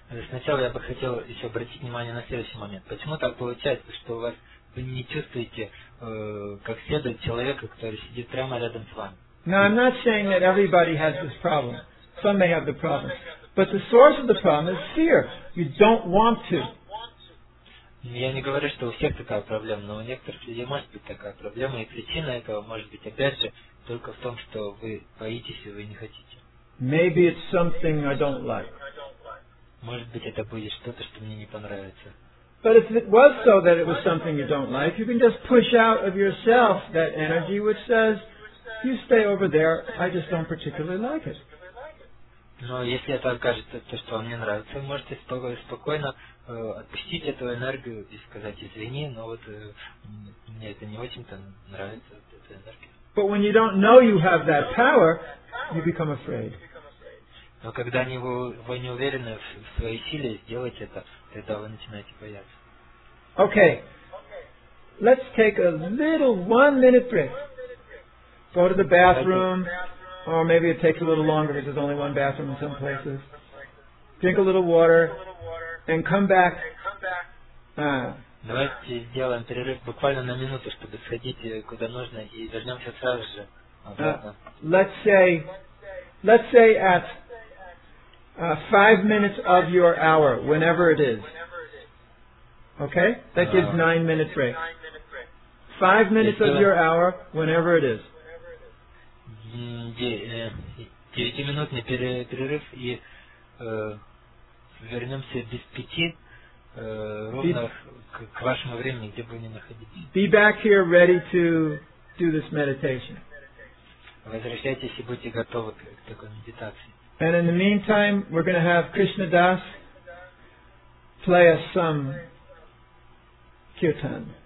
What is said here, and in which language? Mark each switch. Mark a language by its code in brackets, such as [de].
[ru] Сначала я бы хотел еще обратить внимание на следующий момент. Почему так получается, что у вас вы не чувствуете как следует человека, который сидит прямо рядом с вами? [en] Now, I'm not saying that everybody has this problem. Some may have the problem. But the source of the problem is fear. You don't want to. [ru] Я не говорю, что у всех такая проблема, но у некоторых людей может быть такая проблема, и причина этого может быть, опять же, только в том, что вы боитесь и вы не хотите. [en] Maybe it's something I don't like. [ru] Может быть, это будет что-то, что мне не понравится. [en] But if it was so that it was something you don't like, you can just push out of yourself that energy which says, you stay over there, I just don't particularly like it. [ru] Но если это окажется то, что вам не нравится, вы можете спокойно отпустить эту энергию и сказать, извини, но вот мне это не очень-то нравится, эта энергия. [en] But when you don't know you have that power, you become afraid. [ru] Но когда вы не уверены в своей силе сделать это, тогда вы начинаете бояться. [en] Okay. Let's take a little 1 minute break. Go to the bathroom, or maybe it takes a little longer because there's only one bathroom in some places. Drink a little water, and come back. [ru] Давайте сделаем перерыв буквально на минуту, чтобы сходить куда нужно и вернемся сразу же. [en] Let's say at 5 minutes of your hour, whenever it is. Okay, that gives 9 minutes break. 5 minutes of your hour, whenever it is. [ru] 9-минутный перерыв и вернемся без пяти ровно к вашему времени, где бы вы ни находились. [en] Be back here ready to do this meditation. [ru] Возвращайтесь и будьте готовы к такой медитации. [en] And in the meantime, we're going to have Krishna Das play us some kirtan.